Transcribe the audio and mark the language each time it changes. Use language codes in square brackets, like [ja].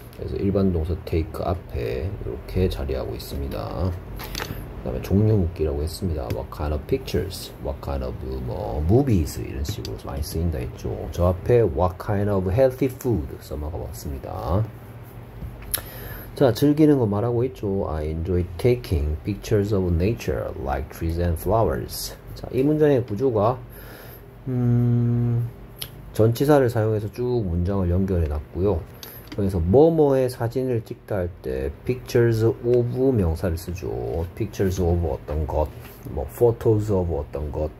[ko] 그래서 일반 동사 take 앞에 이렇게 자리하고 있습니다. 그다음에 종류 묻기라고 했습니다. [en] What kind of pictures? What kind of movies? [ko] 이런 식으로 많이 쓰인다 했죠. 저 앞에 [en] what kind of healthy food [ko] 써먹어봤습니다. 자, 즐기는 거 말하고 있죠. [en] I enjoy taking pictures of nature like trees and flowers. [ko] 자, 이 문장의 구조가 전치사를 사용해서 쭉 문장을 연결해 놨고요. 그래서 뭐뭐의 사진을 찍다 할때 pictures of 명사를 쓰죠. pictures of 어떤 것, 뭐 photos of 어떤 것.